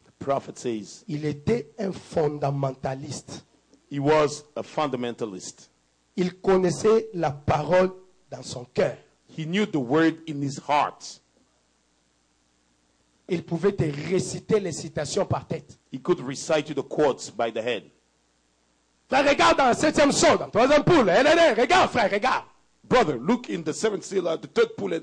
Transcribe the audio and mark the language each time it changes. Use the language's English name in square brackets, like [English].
[English] The prophet says. [French] Il était un fondamentaliste. [English] He was a fundamentalist. [French] Il connaissait la parole dans son cœur. [English] He knew the word in his heart. [French] Il pouvait te réciter les citations par tête. [English] He could recite you the quotes by the head. [French] Frère, regarde dans le septième seau, dans le troisième poule. Regarde, frère, regarde. [English] Brother, look in the seventh seal, the third poule.